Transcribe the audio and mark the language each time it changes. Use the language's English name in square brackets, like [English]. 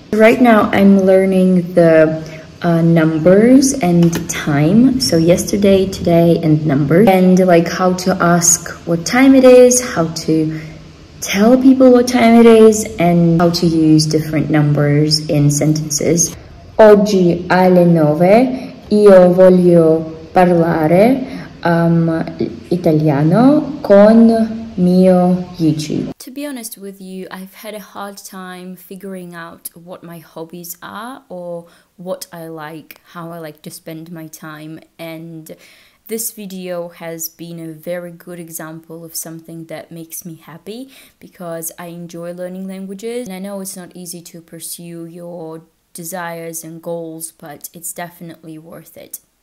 [English] Right now I'm learning the numbers and time. So yesterday, today and numbers. And like how to ask what time it is, how to tell people what time it is and how to use different numbers in sentences. [Italian] Oggi alle 9 io voglio parlare italiano con mio YouTube. [English] To be honest with you, I've had a hard time figuring out what my hobbies are or what I like, how I like to spend my time, and this video has been a very good example of something that makes me happy because I enjoy learning languages and I know it's not easy to pursue your desires and goals, but it's definitely worth it.